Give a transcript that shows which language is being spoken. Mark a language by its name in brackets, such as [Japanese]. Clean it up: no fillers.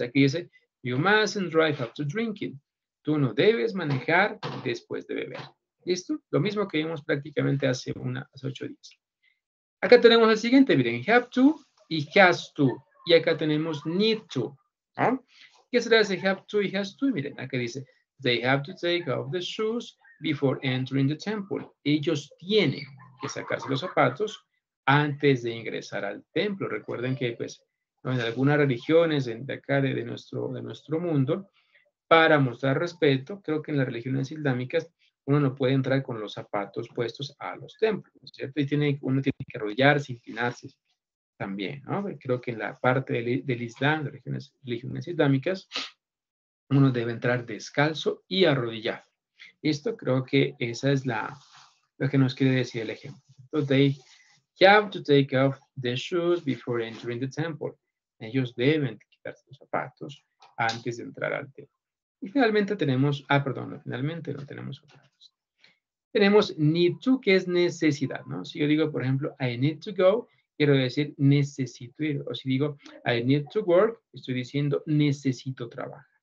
[Spanish] Aquí dice, [English] you mustn't drive after drinking. [Spanish] Tú no debes manejar después de beber. ¿Listo? Lo mismo que vimos prácticamente hace 8 días. Acá tenemos el siguiente, miren, have to y has to. Y acá tenemos need to. ¿Eh? ¿Qué será ese have to y has to? Miren, acá dice, [English] they have to take off the shoes before entering the temple. [Spanish] Ellos tienen que sacarse los zapatos antes de ingresar al templo. Recuerden que, pues, en algunas religiones de acá, de nuestro mundo, para mostrar respeto, creo que en las religiones islámicas, uno no puede entrar con los zapatos puestos a los templos, ¿cierto? Y uno tiene que arrodillarse, inclinarse también, ¿no? Creo que en la parte del Islam, de religiones islámicas, uno debe entrar descalzo y arrodillado. Esto creo que esa es lo que nos quiere decir el ejemplo. [English] Entonces, they have to take off the shoes before entering the temple. [Spanish] Ellos deben quitarse los zapatos antes de entrar al templo. Y finalmente tenemos, finalmente lo tenemos otra vez. tenemos need to, que es necesidad, ¿no? Si yo digo, por ejemplo, [English] I need to go, [Spanish] quiero decir necesito ir. O si digo, [English] I need to work, [Spanish] estoy diciendo necesito trabajar.